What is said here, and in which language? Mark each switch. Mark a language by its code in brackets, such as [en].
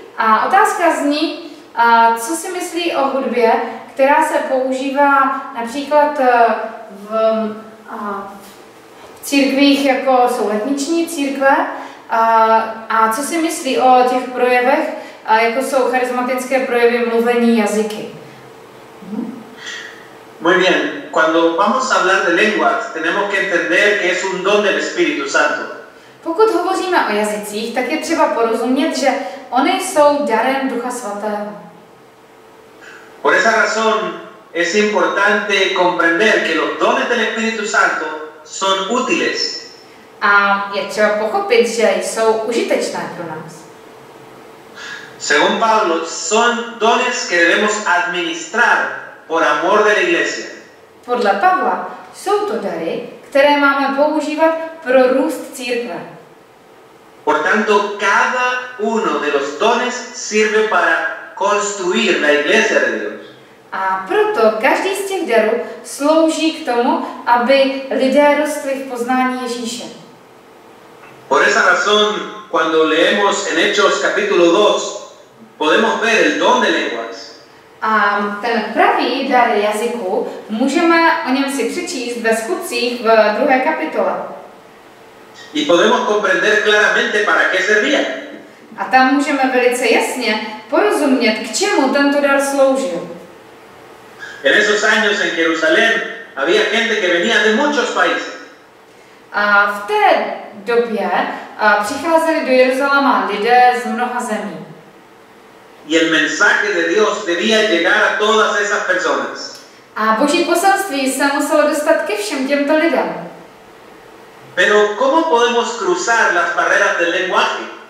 [cs] A otázka zní, co si myslí o hudbě, která se používá například v církvích, jako jsou letniční církve, a co si myslí o těch projevech, jako jsou charismatické projevy mluvení jazyky. [es] Muy bien. Cuando vamos a hablar de lenguas, tenemos que entender que es un don del Espíritu Santo. [cs] Pokud hovoříme o jazycích, tak je třeba porozumět, že oni jsou darem Ducha Svatého. [es] Por esa razón es importante comprender que los dones del Espíritu Santo son útiles. [cs] A je třeba pochopit, že jsou užitečné pro nás. [es] Según Pablo, son dones que debemos administrar por amor de la iglesia. [cs] Podle Pavla jsou to dary, které máme používat pro růst církve. [es] Por tanto, cada uno de los dones sirve para construir la iglesia de Dios. [cs] A proto každý z těch darů slouží k tomu, aby lidé rostli v poznání Ježíše. [es] Por esa razón, cuando leemos en Hechos capítulo 2, podemos ver el don de lenguas. [cs] A ten pravý dar jazyku můžeme o něm si přečíst ve Skutcích v 2. kapitole. [es] Y podemos comprender claramente para qué servía. [cs] A tam můžeme velice jasně porozumět, k čemu tento dar sloužil. [es] En esos años en Jerusalén había gente que venía de muchos países. [cs] A v té době přicházeli do Jeruzaléma lidé z mnoha zemí. [es] Y el mensaje de Dios debía llegar a todas esas personas. [cs] A Boží poselství se muselo dostat ke všem těmto lidem. [es] Pero ¿cómo podemos cruzar las barreras del lenguaje?